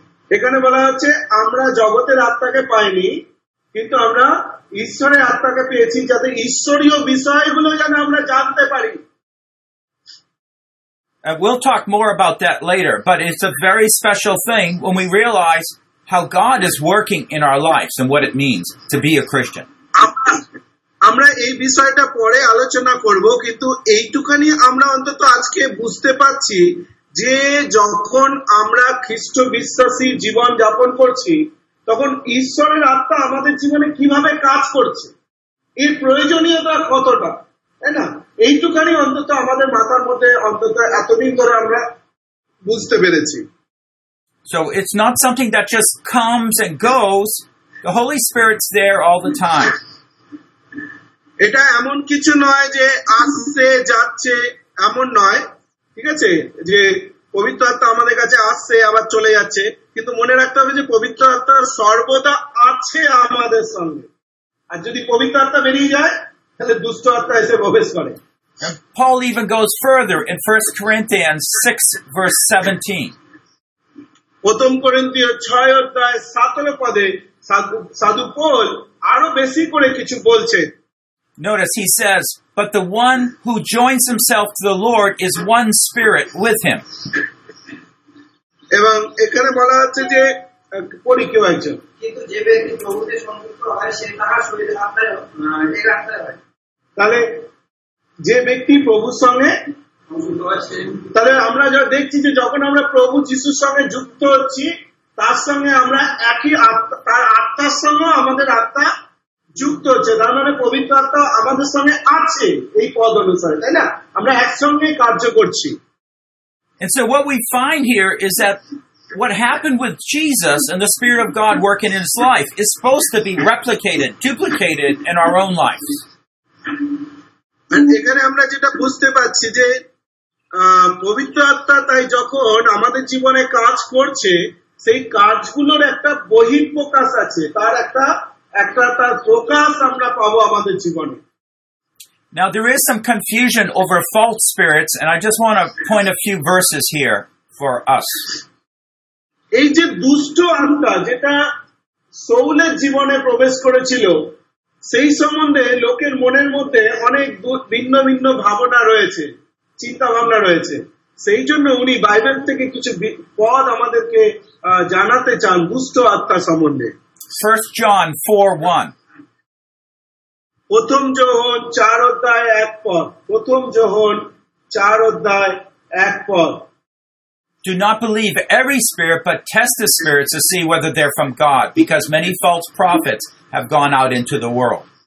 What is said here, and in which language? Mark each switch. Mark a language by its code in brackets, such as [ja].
[bn] এখানে বলা হচ্ছে আমরা জগতের আত্মাকে পাইনি, কিন্তু আমরা ঈশ্বরের আত্মাকে পেয়েছি, যাতে ঈশ্বরীয় বিষয়গুলো যেন আমরা জানতে পারি। [en] We'll talk more about that later, but it's a very special thing when we realize how God is working in our lives and what it means to be a Christian. [bn] আমরা এই বিষয়টা পরে আলোচনা করব, কিন্তু এইটুকানি আমরা অন্তত আজকে বুঝতে পারছি যে যখন আমরা খ্রিস্ট বিশ্বাসী জীবন যাপন করছি, তখন ঈশ্বরের আত্মা আমাদের জীবনে কিভাবে কাজ করছে, এর প্রয়োজনীয়তা কতটা, তাই না, এইটুকানি অন্তত আমাদের মাথার মধ্যে অন্তত এতদিন ধরে আমরা বুঝতে পেরেছি। [en] So it's not something that just comes and goes. The Holy Spirit's there all the time. [bn] এটা এমন কিছু নয় যে আসছে যাচ্ছে, এমন নয়, ঠিক আছে, যে পবিত্র আত্মা আমাদের কাছে আসছে আবার চলে যাচ্ছে, কিন্তু মনে রাখতে হবে যে পবিত্র আত্মা সর্বদা আছে আমাদের সঙ্গে, আর যদি পবিত্র আত্মা বেরিয়ে যায় তাহলে দুষ্ট আত্মা এসে প্রবেশ করে। [en] Paul even goes further in 1 Corinthians 6 verse 17. [bn] প্রথম করিন্থিয় ছয় অধ্যায় সাতের পদে সাধু পৌল আরো বেশি করে কিছু বলছে। [en] Notice he says, but the one who joins himself to the Lord is one spirit with him. [bn] এবং এখানে বলা আছে যে পরি কেউ একজন, কিন্তু যে ব্যক্তি প্রভুতে সংযুক্ত হয় সে তাহার শরীরে আত্মায় এক আত্মায় হয়। তাহলে যে ব্যক্তি প্রভুর সঙ্গে সংযুক্ত আছে, তাহলে আমরা যা দেখছি যে যখন আমরা প্রভু যীশুর সঙ্গে যুক্ত হচ্ছি তার সঙ্গে আমরা একই আত্মা, তার আত্মার সঙ্গে আমাদের আত্মা যুক্ত হচ্ছে, তার মানে পবিত্র আত্মা আমাদের সঙ্গে আছে এই পদ অনুসারে, তাই না? আমরা একসঙ্গে কার্য করছি। [en] And so what we find here is that what happened with Jesus and the Spirit of God working in his life is supposed to be replicated, duplicated in our own life. [bn] And এখানে আমরা যেটা বুঝতে পারছি যে পবিত্র আত্মা তাই যখন আমাদের জীবনে কাজ করছে সেই কাজগুলোর একটা বহিঃপ্রকাশ আছে, তার একটা তার প্রকাশ আমরা পাবো আমাদের জীবনে। [en] Now there is some confusion over false spirits and I just want to point a few verses here for us. [bn] এই যে দুষ্ট আত্মা যেটা সৌলের জীবনে প্রবেশ করেছিল সেই সম্বন্ধে লোকের মনের মধ্যে অনেক ভিন্ন ভিন্ন ভাবনা রয়েছে, চিন্তা ভাবনা রয়েছে, সেই জন্য উনি বাইবেল থেকে কিছু পদ আমাদেরকে জানাতে চান দুষ্ট আত্মা সম্বন্ধে। [en] 1 John 4:1 [bn] প্রথম যোহন চার অধ্যায় এক পদ, প্রথম যোহন চার অধ্যায় এক পদ, [en] Do not believe every spirit, but test the spirits to see whether they're from God, because many false prophets have gone out into the world.